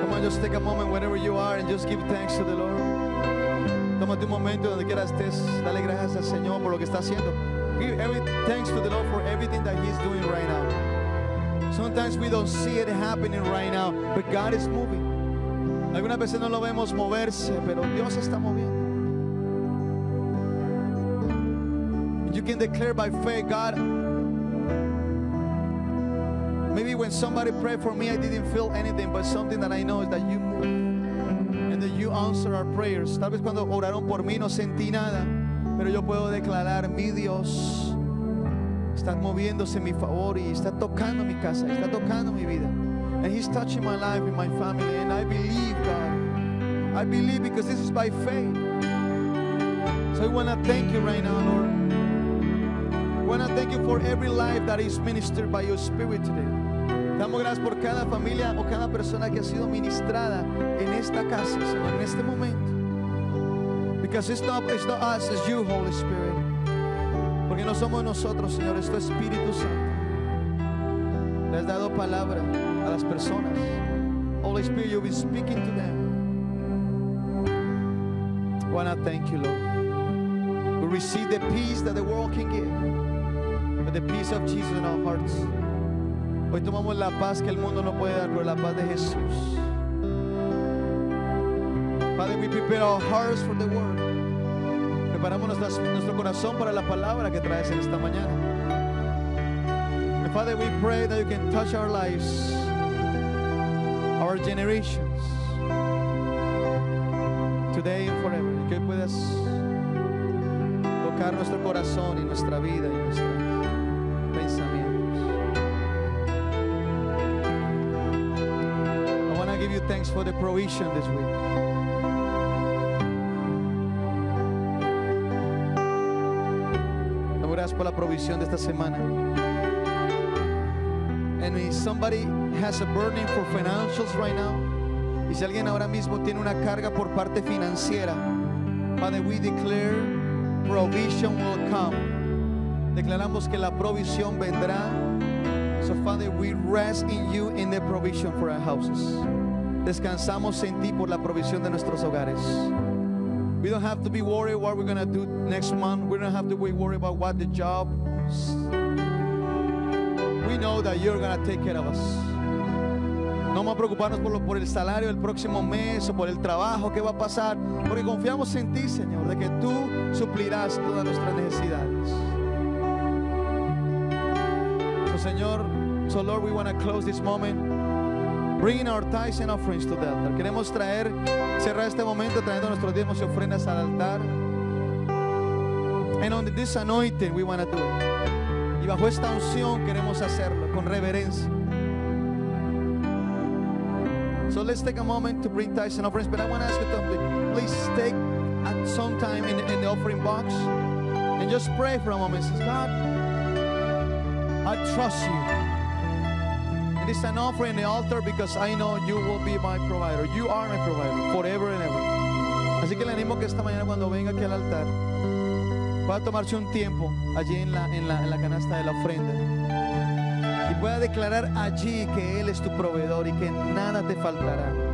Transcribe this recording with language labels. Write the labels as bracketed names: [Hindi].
[English] Come on, just take a moment wherever you are and just give thanks to the Lord. [Spanish] Tómate un momento donde quieras estés, dale gracias al Señor por lo que está haciendo. [English] Give every thanks to the Lord for everything that He's doing right now. Sometimes we don't see it happening right now, but God is moving. [Spanish] Algunas veces no lo vemos moverse, pero Dios está moviendo. [English] You can declare by faith, God. Maybe when somebody prayed for me, I didn't feel anything, but something that I know is that You move. You answer our prayers. [Spanish] Tal vez cuando oraron por mí no sentí nada, pero yo puedo declarar: mi Dios está moviéndose en mi favor y está tocando mi casa, está tocando mi vida. [English] And He's touching my life and my family. And I believe, God. I believe because this is by faith. So I want to thank You right now, Lord. I want to thank You for every life that is ministered by Your Spirit today. [Spanish] Damos gracias por cada familia o cada persona que ha sido ministrada en esta casa, Señor, en este momento. [English] Because it's not us, it's You, Holy Spirit. [Spanish] Porque no somos nosotros, Señor, es Tu Espíritu Santo. Le has dado palabra a las personas. [English] Holy Spirit, You've been speaking to them. I want to thank You, Lord. We receive the peace that the world can give, but the peace of Jesus in our hearts. [Spanish] Hoy tomamos la paz que el mundo no puede dar, pero la paz de Jesús. [English] Father, we prepare our hearts for the word. [Spanish] Preparamos nuestro corazón para la palabra que traes en esta mañana. [English] And Father, we pray that You can touch our lives, our generations, today and forever. [Spanish] Y que puedas tocar nuestro corazón y nuestra vida y nuestros pensamientos. [English] Give You thanks for the provision this week. [Spanish] Damos gracias por la provisión de esta semana. [English] And if somebody has a burning for financials right now, [Spanish] y si alguien ahora mismo tiene una carga por parte financiera, [English] Father, we declare provision will come. [Spanish] Declaramos que la provisión vendrá. [English] So Father, we rest in You in the provision for our houses. [Spanish] Descansamos en Ti por la provisión de nuestros hogares. [English] We don't have to be worried what we're gonna do next month. We don't have to be worried about what the job is. We know that You're gonna take care of us. [Spanish] No vamos a preocuparnos por el salario del próximo mes o por el trabajo que va a pasar, porque confiamos en Ti, Señor, de que Tú suplirás todas nuestras necesidades. [English] So Señor, so Lord, we want to close this moment. Bringing our tithes and offerings to the altar. [Spanish] Queremos traer, cerrar este momento trayendo nuestros diezmos y ofrendas al altar. [English] And on this anointing we want to do it. [Spanish] Y bajo esta unción queremos hacerlo con reverencia. [English] So let's take a moment to bring tithes and offerings. But I want to ask you something. Please take some time in the offering box and just pray for a moment. Says, God, I trust You. And it's an offering in the altar because I know You will be my provider. You are my provider forever and ever. [Spanish] Así que le animo que esta mañana cuando venga aquí al altar pueda tomarse un tiempo allí en la canasta de la ofrenda y pueda declarar allí que Él es tu proveedor y que nada te faltará.